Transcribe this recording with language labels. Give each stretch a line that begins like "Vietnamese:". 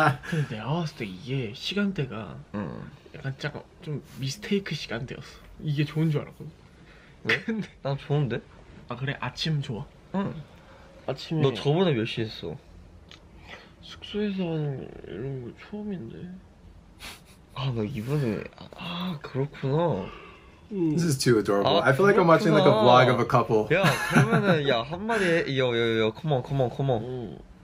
Korean: 근데 내가 봤을 때 이게 시간대가 약간 잠깐 좀 미스테이크 시간대였어. 이게 좋은 줄 알았거든. 왜? 근데 난 좋은데? 아 그래? 아침 좋아? 응. 아침에 너 저번에 몇 시 했어? 숙소에서 하는 이런 거 처음인데. 아 나 이번에 아 그렇구나.
English: This is too adorable. 아, I feel
Korean: 그렇구나.
English: like I'm watching like a vlog of a couple.
Korean: 야 그러면은 야 한 마디 여 컴온.